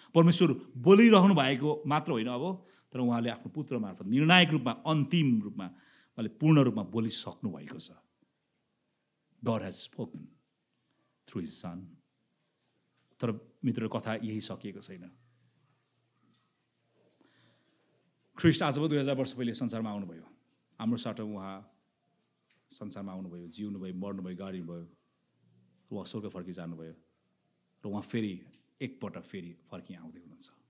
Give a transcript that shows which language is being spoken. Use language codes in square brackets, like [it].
[ne] परमेश्वर बोलिरहनु भएको मात्र होइन अब, तर उहाँले आफ्नो पुत्र मार्फत निर्णायक रूपमा, अन्तिम रूपमा उहाँले पूर्ण रूपमा बोलिसक्नु भएको छ। [en] God has spoken through his son. [ne] तर मित्र कथा यही सकिएको छैन, ख्रिस्ट आजभन्दा 2000 वर्ष पहिले संसारमा आउनुभयो, हाम्रो साथ उहाँ संसारमा आउनुभयो, जिउनुभयो, मर्नुभयो, गाडिनुभयो, उहाँ स्वर्ग फर्की जानुभयो र उहाँ फेरि एकपटक फेरि फर्की आउँदै हुनुहुन्छ।